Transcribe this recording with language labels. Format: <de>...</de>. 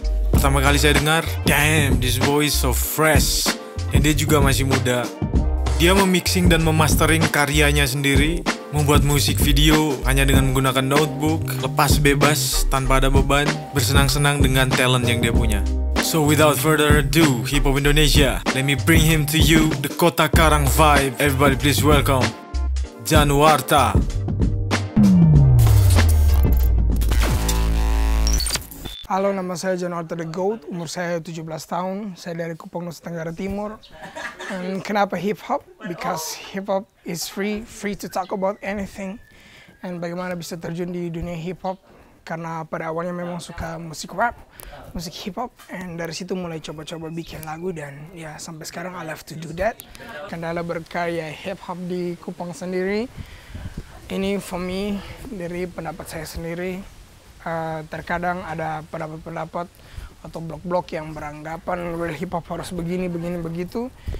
<id>Pertama kali saya dengar,</id> <en>damn, this voice so fresh.</en> <id>Dan dia juga masih muda. Dia memixing dan memastering karyanya sendiri, membuat musik video hanya dengan menggunakan notebook, lepas bebas tanpa ada beban, bersenang-senang dengan talent yang dia punya.</id> <en>So without further ado, Hip Hop Indonesia, let me bring him to you, the Kota Karang vibe. Everybody please welcome, Januarta.</en> <id>Halo, nama saya Januarta The Goat, umur saya 17 tahun, saya dari Kupang, Nusa Tenggara Timur. And kenapa hip-hop?</id> <en>Because hip-hop is free to talk about anything.</en> <id>And bagaimana bisa terjun di dunia hip-hop? Karena pada awalnya memang suka musik rap, musik hip-hop, and dari situ mulai coba-coba bikin lagu, dan ya sampai sekarang</id> <en>I love to do that.</en> <id>Kendala berkarya hip-hop di Kupang sendiri, ini</id> <en>for me,</en> <id>dari pendapat saya sendiri, terkadang ada pendapat-pendapat atau blok-blok yang beranggapan real hip hop harus begini, begini, begitu.</id>